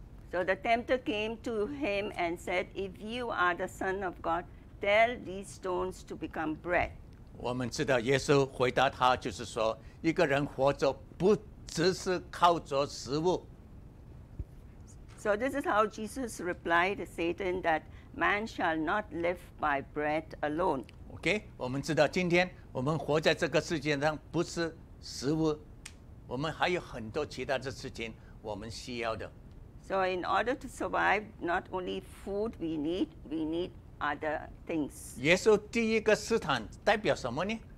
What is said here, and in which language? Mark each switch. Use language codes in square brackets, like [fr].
[en] So the tempter came to him and said, if you are the son of God, tell these stones to become bread. [zh] 我们知道耶稣回答他就是说，一个人活着不只是靠着食物。 [en] So this is how Jesus replied to Satan that man shall not live by bread alone. Okay, [zh] 我们知道今天我们活在这个世界上不是食物，我们还有很多其他的事情我们需要的。 [en] So in order to survive, not only food we need other things. [zh] 耶稣第一个试探代表什么呢？